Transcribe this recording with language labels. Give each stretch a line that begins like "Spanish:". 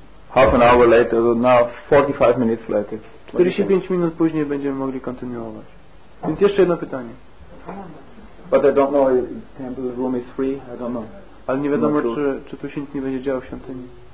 English: Half an hour later, now 45 minutes later.
Polish: 45 minut później będziemy mogli kontynuować. Więc jeszcze jedno pytanie.
English: But I don't know if the temple room is free. I don't know.
Polish: Ale nie wiadomo, czy tu się nic nie będzie działo w świątyni.